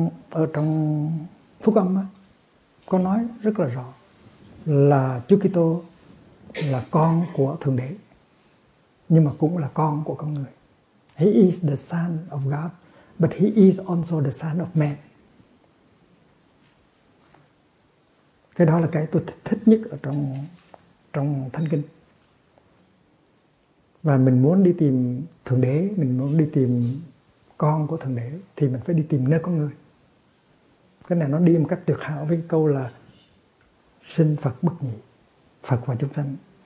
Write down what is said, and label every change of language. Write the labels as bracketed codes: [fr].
[vi] Ở trong Phúc Âm á, có nói rất là rõ là Chúa Kitô là con của Thượng Đế, nhưng mà cũng là con của con người. [en] He is the son of God, but he is also the son of man. [vi] Cái đó là cái tôi thích nhất ở trong Thánh Kinh. Và mình muốn đi tìm Thượng Đế, mình muốn đi tìm con của Thượng Đế, thì mình phải đi tìm nơi con người. Cái này nó đi một cách tuyệt hảo với câu là sinh Phật bất nhị, Phật và chúng sanh